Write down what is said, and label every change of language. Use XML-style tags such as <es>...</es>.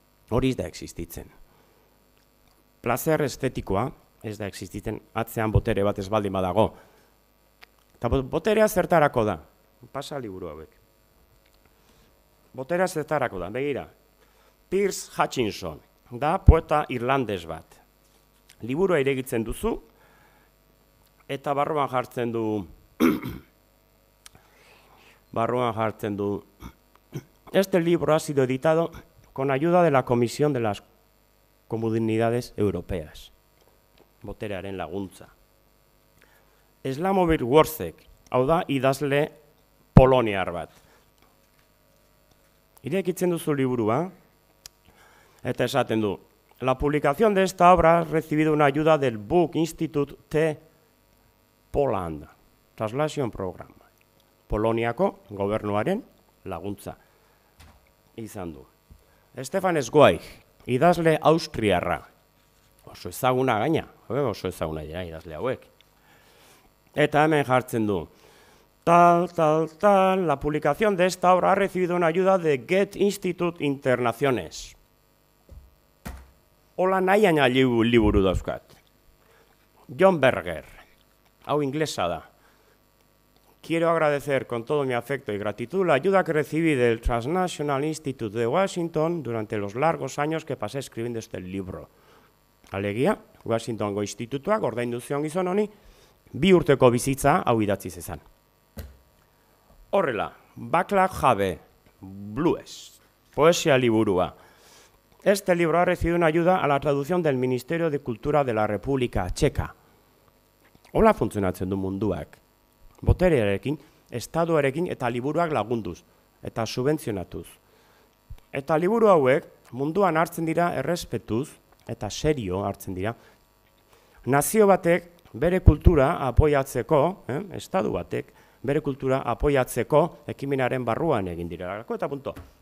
<eu>Hori ez da existitzen. Plazer estetikoa ez da existitzen atzean botere bat ez baldin badago. Eta boterea zertarako da. Pasa liburu hauek. Boterea zertarako da, begira. Pierce Hutchinson, da poeta irlandes bat. Liburua iregitzen duzu, eta barruan jartzen du,</eu> <es>este libro ha sido editado con ayuda de la Comisión de las Comunidades Europeas.</es> <eu>Boterearen laguntza. Slamovir Worsek, hau da, idazle poloniar bat. Irekitzen duzu liburua, eta esaten du.</eu> <es>La publicación de esta obra ha recibido una ayuda del Book Institute de Poland.</es> <en>Translation Program.</en> <eu>Poloniako gobernuaren laguntza izan du. Stefan Zweig, idazle austriarra. Oso ezaguna gaina, oso ezaguna dira idazle hauek. Eta hemen jartzen du.</eu> <es>Tal, tal, tal, la publicación de esta obra ha recibido una ayuda de Goethe Institut Internaciones.</es> <eu>Ola nahian liburu dauzkat. John Berger, hau inglesa da.</eu> <es>Quiero agradecer con todo mi afecto y gratitud la ayuda que recibí del Transnational Institute de Washington durante los largos años que pasé escribiendo este libro.</es> <eu>Alegia, Washingtongo Institutuak ordaindu zion gizon honi, bi urteko bizitza hau idatzi zezan. Horrela, Backlog Jabe, Blues, poesia liburua.</eu> <es>Este libro ha recibido una ayuda a la traducción del Ministerio de Cultura de la República Checa.</es> <eu>Hola funtzionatzen du munduak. Boterearekin, estatuarekin eta liburuak lagunduz eta subentzionatuz. Eta liburu hauek munduan hartzen dira errespetuz eta serio hartzen dira. Nazio batek bere kultura apoiatzeko, estatu batek bere kultura apoiatzeko ekiminaren barruan egin direlako eta punto.</eu>